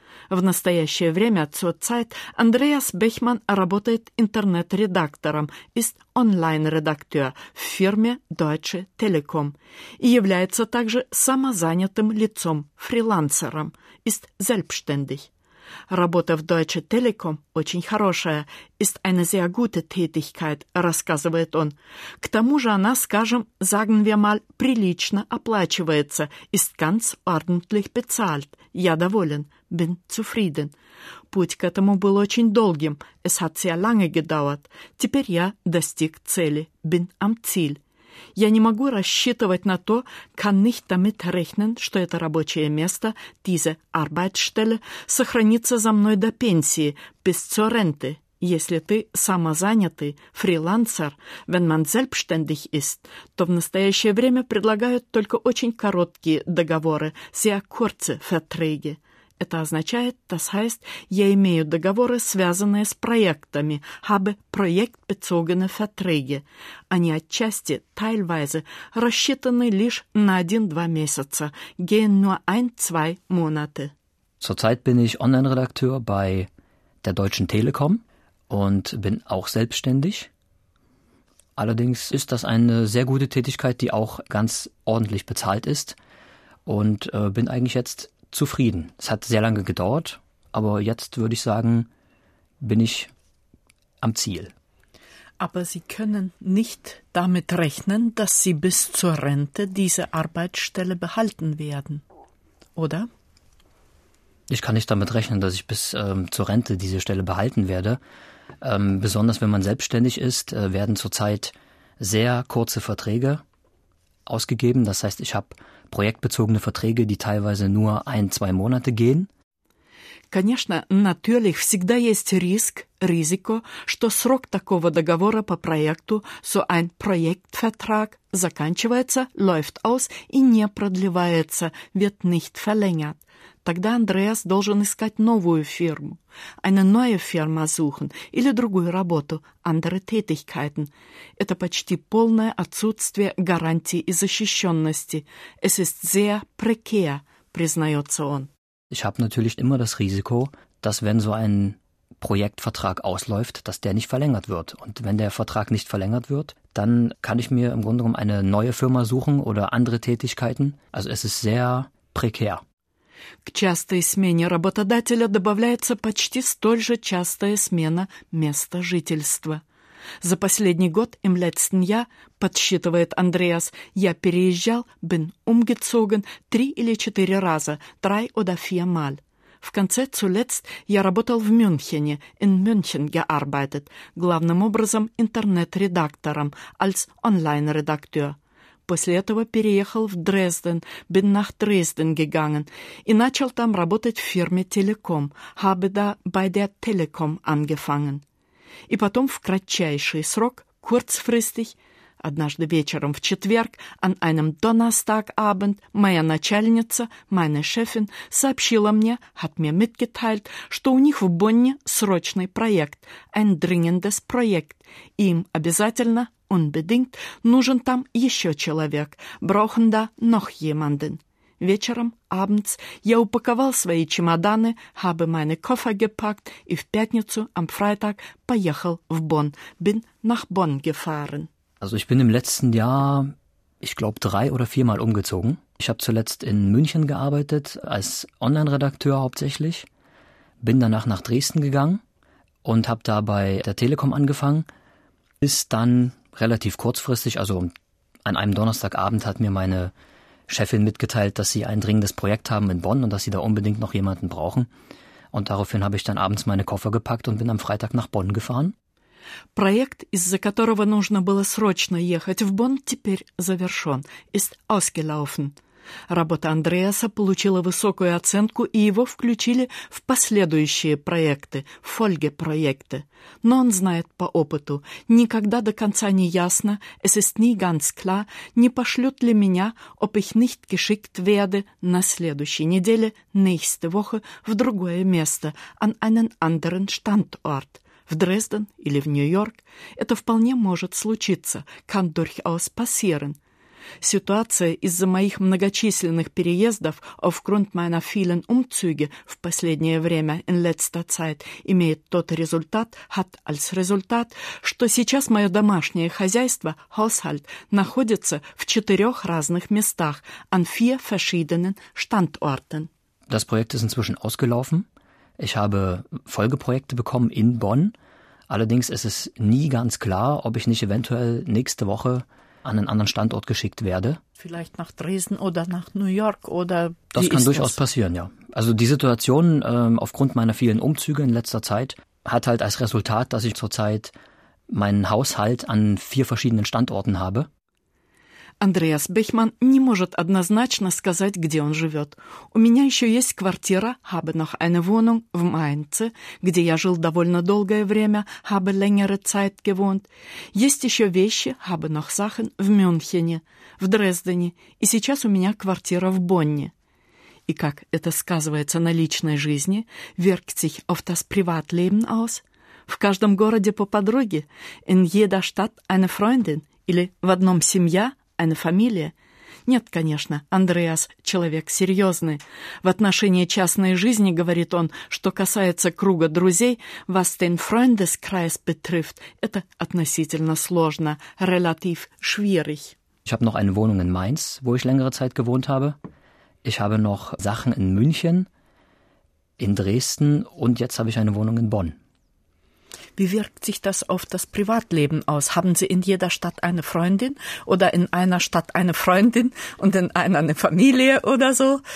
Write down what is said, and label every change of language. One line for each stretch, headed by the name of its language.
Russian: В настоящее время
German: zurzeit
Russian: Андреас Бехман работает интернет-редактором, ist онлайн-редактор в фирме Deutsche Telekom и является также самозанятым лицом, фрилансером,
German: ist selbstständig.
Russian: Работа в Deutsche Telekom очень хорошая,
German: ist eine sehr gute Tätigkeit,
Russian: рассказывает он. К тому же она, скажем,
German: sagen wir mal,
Russian: прилично оплачивается,
German: ist ganz ordentlich bezahlt,
Russian: я доволен,
German: bin zufrieden.
Russian: Путь к этому был очень долгим,
German: es hat sehr lange gedauert,
Russian: теперь я достиг цели,
German: bin am Ziel.
Russian: Я не могу рассчитывать на то,
German: kann nicht damit rechnen,
Russian: что это рабочее место,
German: diese Arbeitsstelle,
Russian: сохранится за мной до пенсии,
German: bis zur Rente.
Russian: Если ты самозанятый, фрилансер,
German: wenn man selbstständig ist,
Russian: то в настоящее время предлагают только очень короткие договоры,
German: sehr kurze Verträge.
Russian: Это означает,
German: das heißt,
Russian: я имею договоры, связанные с проектами,
German: habe projektbezogene Verträge.
Russian: Они отчасти,
German: teilweise,
Russian: рассчитаны лишь на 1-2 месяца,
German: gehen nur 1-2 Monate. Zurzeit bin ich Online-Redakteur bei der Deutschen Telekom und bin auch selbstständig. Allerdings ist das eine sehr gute Tätigkeit, die auch ganz ordentlich bezahlt ist und bin eigentlich jetzt zufrieden. Es hat sehr lange gedauert, aber jetzt würde ich sagen, bin ich am Ziel. Aber Sie können nicht damit rechnen, dass Sie bis zur Rente diese Arbeitsstelle behalten werden, oder? Ich kann nicht damit rechnen, dass ich bis zur Rente diese Stelle behalten werde. Besonders wenn man selbstständig ist, werden zurzeit sehr kurze Verträge ausgegeben. Das heißt, ich habe projektbezogene Verträge, die teilweise nur 1-2 Monate gehen.
Russian: Конечно,
German: natürlich,
Russian: всегда есть риск,
German: Risiko,
Russian: что срок такого договора по проекту,
German: so ein Projektvertrag,
Russian: заканчивается,
German: läuft aus
Russian: и не продлевается,
German: wird nicht verlängert.
Russian: Тогда Андреас должен искать новую фирму,
German: eine neue Firma suchen
Russian: или другую работу,
German: andere Tätigkeiten.
Russian: Это почти полное отсутствие гарантии и защищенности.
German: Es ist sehr prekär,
Russian: признается он.
German: Ich habe natürlich immer das Risiko, dass wenn so ein Projektvertrag ausläuft, dass der nicht verlängert wird. Und wenn der Vertrag nicht verlängert wird, dann kann ich mir im Grunde genommen eine neue Firma suchen oder andere Tätigkeiten. Also es ist sehr prekär.
Russian: К частой смене работодателя добавляется почти столь же частая смена места жительства. За последний год,
German: im letzten Jahr,
Russian: подсчитывает Андреас, я переезжал,
German: bin umgezogen,
Russian: 3 или 4 раза,
German: 3 oder 4 mal.
Russian: В конце,
German: zuletzt,
Russian: я работал в Мюнхене,
German: in München gearbeitet,
Russian: главным образом интернет-редактором,
German: als Online-Redakteur.
Russian: После этого переехал в Дрезден,
German: bin nach Dresden gegangen,
Russian: и начал там работать в фирме Telekom,
German: habe da bei der Telekom angefangen.
Russian: И потом в кратчайший срок,
German: kurzfristig,
Russian: Однажды вечером в четверг,
German: an einem Donnerstagabend,
Russian: моя начальница,
German: meine Chefin,
Russian: сообщила мне,
German: hat mir mitgeteilt,
Russian: что у них в Бонне срочный проект,
German: ein dringendes Projekt.
Russian: Им обязательно,
German: unbedingt,
Russian: нужен там еще человек,
German: brauchen da noch jemanden.
Russian: Вечером,
German: abends,
Russian: я упаковал свои чемоданы,
German: habe meine Koffer gepackt,
Russian: и в пятницу,
German: am Freitag,
Russian: поехал в Бонн,
German: bin nach Bonn gefahren. Also ich bin im letzten Jahr, ich glaube, 3 oder 4 Mal umgezogen. Ich habe zuletzt in München gearbeitet, als Online-Redakteur hauptsächlich, bin danach nach Dresden gegangen und habe da bei der Telekom angefangen. Ist dann relativ kurzfristig, also an einem Donnerstagabend hat mir meine Chefin mitgeteilt, dass sie ein dringendes Projekt haben in Bonn und dass sie da unbedingt noch jemanden brauchen. Und daraufhin habe ich dann abends meine Koffer gepackt und bin am Freitag nach Bonn gefahren.
Russian: Проект, из-за которого нужно было срочно ехать в Бонн, теперь завершен,
German: ist ausgelaufen.
Russian: Работа Андреаса получила высокую оценку, и его включили в последующие проекты, фольгепроекты. Но он знает по опыту, никогда до конца не ясно,
German: es ist nie ganz klar,
Russian: не пошлют ли меня,
German: ob ich nicht geschickt werde,
Russian: на следующей неделе,
German: nächste Woche,
Russian: в другое место,
German: an einen anderen Standort.
Russian: В Дрезден или в Нью-Йорк это вполне может случиться,
German: kann durchaus passieren.
Russian: Ситуация из-за моих многочисленных переездов
German: aufgrund meiner vielen Umzüge
Russian: в последнее время,
German: in letzter Zeit,
Russian: имеет тот результат,
German: hat als Resultat,
Russian: что сейчас мое домашнее хозяйство,
German: Haushalt,
Russian: находится в 4 разных местах,
German: an 4 verschiedenen Standorten. Das Projekt ist inzwischen ausgelaufen. Ich habe Folgeprojekte bekommen in Bonn. Allerdings ist es nie ganz klar, ob ich nicht eventuell nächste Woche an einen anderen Standort geschickt werde. Vielleicht nach Dresden oder nach New York oder wie ist das? Das kann durchaus passieren, ja. Also die Situation aufgrund meiner vielen Umzüge in letzter Zeit hat halt als Resultat, dass ich zurzeit meinen Haushalt an 4 verschiedenen Standorten habe.
Russian: Андреас Бехман не может однозначно сказать, где он живет. У меня еще есть квартира,
German: habe noch eine Wohnung,
Russian: в Майнце, где я жил довольно долгое время,
German: habe längere Zeit gewohnt.
Russian: Есть еще вещи,
German: habe noch Sachen,
Russian: в Мюнхене, в Дрездене, и сейчас у меня квартира в Бонне. И как это сказывается на личной жизни,
German: wirkt sich auf das Privatleben aus?
Russian: В каждом городе по подруге,
German: in jeder Stadt eine Freundin,
Russian: или в одном семья,
German: eine Familie?
Russian: Нет, конечно, Андреас – человек серьезный. В отношении частной жизни, говорит он, что касается круга друзей,
German: was den Freundeskreis betrifft,
Russian: это относительно сложно,
German: relativ schwierig. Ich habe noch eine Wohnung in Mainz, wo ich längere Zeit gewohnt habe. Ich habe noch Sachen in München, in Dresden und jetzt habe ich eine Wohnung in Bonn. Wie wirkt sich das auf das Privatleben aus? Haben Sie in jeder Stadt eine Freundin oder in einer Stadt eine Freundin und in einer eine Familie oder so?